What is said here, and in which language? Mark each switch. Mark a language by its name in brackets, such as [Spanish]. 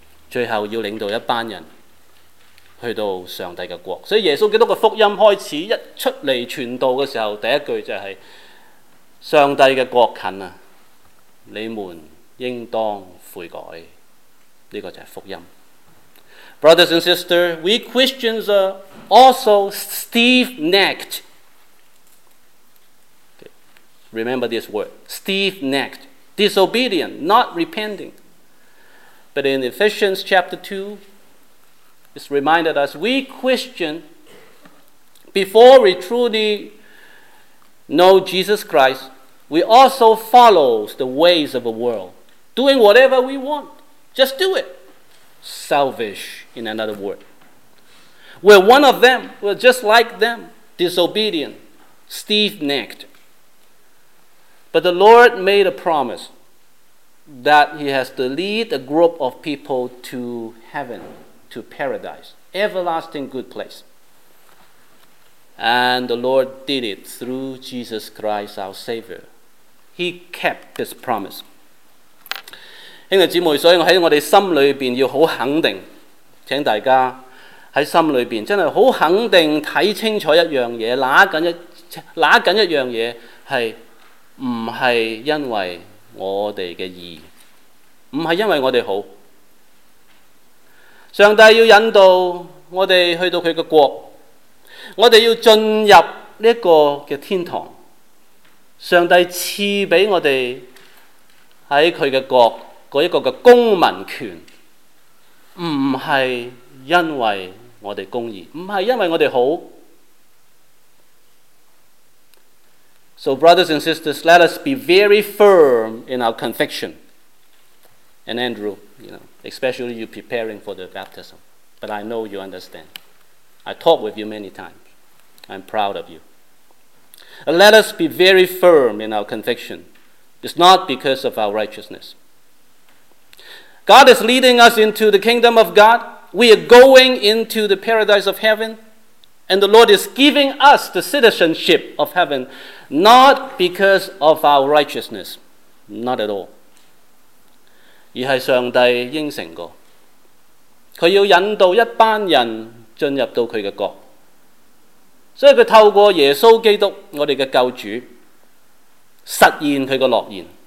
[Chinese] 最后要领导一班人去到上帝的国。所以耶稣基督的福音开始一出来传道的时候，第一句就是上帝的国近了，你们应当悔改。这个就是福音。 [English] Brothers and sisters, we Christians are also stiff-necked. Remember this word, stiff-necked, disobedient, not repenting. But in Ephesians chapter 2, it's reminded us, we Christians, before we truly know Jesus Christ, we also follow the ways of the world, doing whatever we want. Just do it. Selfish, in another word. We're one of them. We're just like them. Disobedient. Stiff-necked. But the Lord made a promise that he has to lead a group of people to heaven, to paradise. Everlasting good place. And the Lord did it through Jesus Christ, our Savior. He kept this promise. [Chinese] 兄弟姊妹，所以我在我们心里面要很肯定，请大家在心里面真的很肯定看清楚一样东西，拿紧一样东西是不是因为我们的义，不是因为我们好。上帝要引导我们去到他的国，我们要进入这个的天堂，上帝赐给我们在他的国那一个的公民权，不是因为我们公义，不是因为我们好。 [English] So brothers and sisters, let us be very firm in our conviction. And Andrew, you know, especially you preparing for the baptism, but I know you understand. I talked with you many times. I'm proud of you. And let us be very firm in our conviction. It's not because of our righteousness. God is leading us into the kingdom of God. We are going into the paradise of heaven. And the Lord is giving us the citizenship of heaven, not because of our righteousness. Not at all. [Chinese] 而是上帝应承过，他要引导一班人进入到他的国。所以他透过耶稣基督，我们的救主，实现他的诺言。